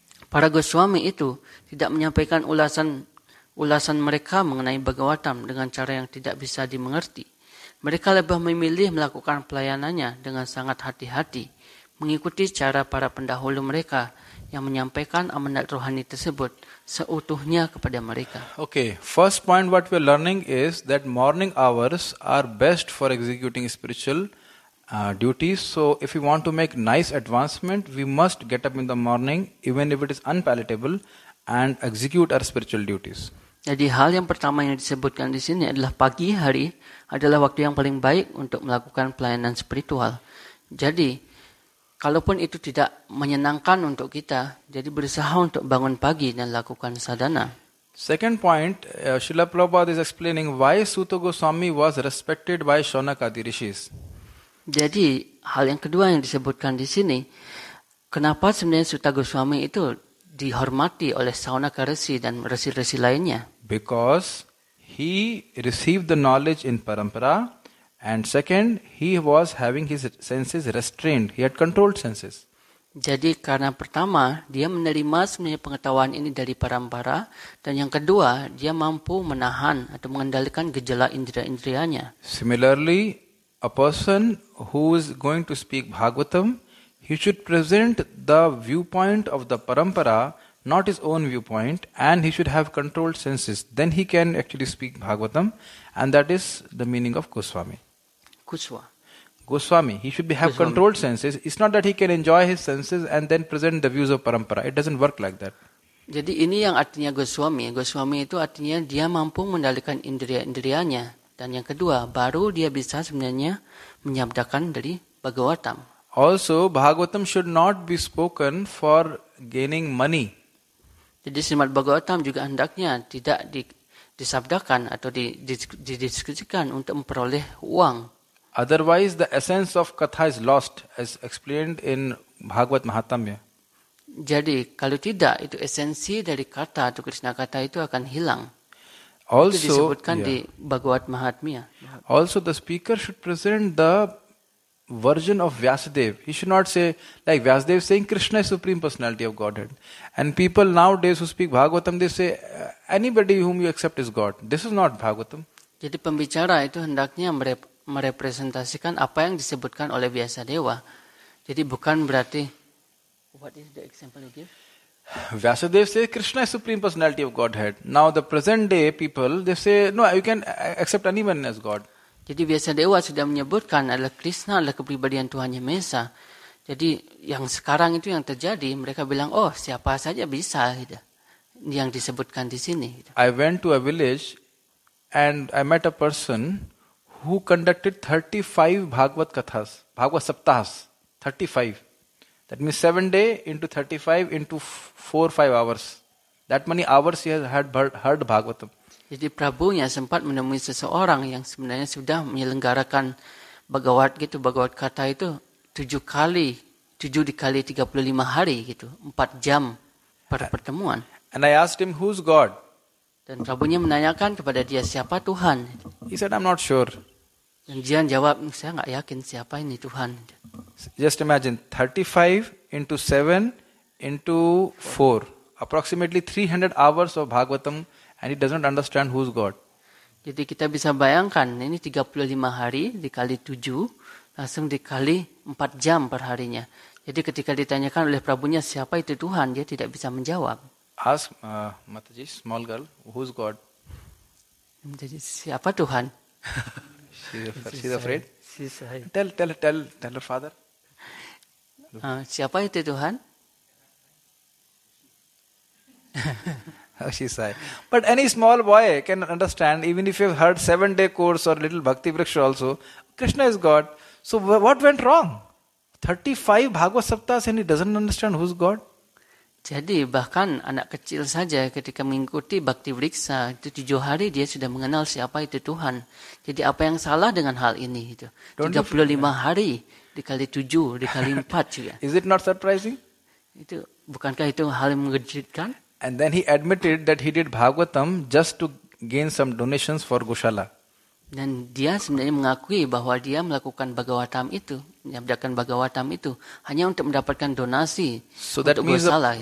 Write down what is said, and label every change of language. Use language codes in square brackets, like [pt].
[id] Para Goswami itu tidak menyampaikan ulasan mereka mengenai Bhagavatam dengan cara yang tidak bisa dimengerti. Mereka lebih memilih melakukan pelayanannya dengan sangat hati-hati, mengikuti cara para pendahulu mereka yang menyampaikan amanat rohani tersebut seutuhnya kepada mereka. [en] Okay, first point what we are learning is that morning hours are best for executing spiritual duties. So if we want to make nice advancement, we must get up in the morning even if it is unpalatable and execute our spiritual duties. [id] Jadi hal yang pertama yang disebutkan di sini adalah pagi hari adalah waktu yang paling baik untuk melakukan pelayanan spiritual. Jadi kalaupun itu tidak menyenangkan untuk kita, jadi berusaha untuk bangun pagi dan lakukan sadhana. [en] Second point, Srila Prabhupada is explaining why Suta Goswami was respected by Shaunakadi Rishis. [id] Jadi hal yang kedua yang disebutkan di sini, kenapa sebenarnya Suta Goswami itu dihormati oleh Shaunaka Rishi dan resi-resi lainnya? [en] Because he received the knowledge in parampara. And second, he was having his senses restrained. He had controlled senses. [id] Jadi karena pertama, dia menerima semua pengetahuan ini dari parampara. Dan yang kedua, dia mampu menahan atau mengendalikan gejala indra-indrianya. [en] Similarly, a person who is going to speak Bhagavatam, he should present the viewpoint of the parampara, not his own viewpoint, and he should have controlled senses. Then he can actually speak Bhagavatam, and that is the meaning of Goswami. Goswami. He should have controlled senses. It's not that he can enjoy his senses and then present the views of parampara. It doesn't work like that. [id] Jadi ini yang artinya Goswami. Goswami itu artinya dia mampu mengendalikan indria-indrianya. Dan yang kedua, baru dia bisa sebenarnya menyabdakan dari Bhagavatam. [en] Also, Bhagavatam should not be spoken for gaining money. [id] Jadi Srimad Bhagavatam juga hendaknya tidak disabdakan atau didiskusikan untuk memperoleh uang. [en] Otherwise, the essence of katha is lost, as explained in Bhagavat Mahatamya. [id] Jadi kalau tidak, itu esensi dari kata atau Krishna kata itu akan hilang. [en] Also, [id] itu disebutkan di Bhagavat Mahatamya. [en] Also, the speaker should present the version of Vyasadeva. He should not say, like Vyasadeva saying Krishna is Supreme Personality of Godhead. And people nowadays who speak Bhagavatam, they say, anybody whom you accept is God. This is not Bhagavatam. [id] Jadi pembicara itu hendaknya merepresentasikan apa yang disebutkan oleh Vyasadeva. Jadi bukan berarti, [en] what is the example you give? Vyasadeva says Krishna is Supreme Personality of Godhead. Now the present day people, they say, no, you can accept anyone as God. [id] Jadi Vyasadeva sudah menyebutkan adalah Krishna adalah kepribadian Tuhan Yang Maha Esa. Jadi yang sekarang itu yang terjadi, mereka bilang, oh siapa saja bisa. Gitu. Yang disebutkan di sini. Gitu. [en] I went to a village and I met a person who conducted 35 Bhagavat Kathas, Bhagavat Saptahas, 35. That means 7 day into 35 into 4-5 hours. That many hours he has heard Bhagavatam. [id] Jadi Prabhunya sempat menemui seseorang yang sebenarnya sudah menyelenggarakan Bhagavat gitu, Bhagavat kata itu 7 dikali 35 hari gitu, 4 jam per pertemuan. [en] And I asked him, who's God? [id] Dan Prabhunya menanyakan kepada dia, siapa Tuhan? [en] He said, I'm not sure. [id] Dan dia jawab, saya enggak yakin siapa ini Tuhan. [en] Just imagine, 35 into 7 into 4, approximately 300 hours of Bhagavatam. And he doesn't understand who's God. [id] Jadi kita bisa bayangkan ini 35 hari dikali 7 langsung dikali 4 jam per harinya. Jadi ketika ditanyakan oleh Prabhunya siapa itu Tuhan, dia tidak bisa menjawab. [en] Ask Mataji, small girl, who's God? [id] Mataji, siapa Tuhan? [en] She's afraid. She's afraid. Tell her father. [id] Siapa itu Tuhan? [en] She sighed. But any small boy can understand, even if you've heard 7-day course or little Bhakti Vriksha also, Krishna is God. So what went wrong? 35 Bhagavad Saptas and he doesn't understand who's God? [id] Jadi bahkan anak kecil saja ketika mengikuti Bhakti Vriksha itu 7 hari dia sudah mengenal siapa itu Tuhan. Jadi apa yang salah dengan hal ini? Itu 35 hari dikali 7 dikali 4 juga. [en] Is it not surprising? [id] Itu bukankah itu hal yang mengejutkan? [en] And then he admitted that he did Bhagavatam just to gain some donations for Goshala. [id] Dan dia sebenarnya mengakui bahwa dia melakukan Bhagavatam itu, menyabdakan Bhagavatam itu hanya untuk mendapatkan donasi untuk Goshala.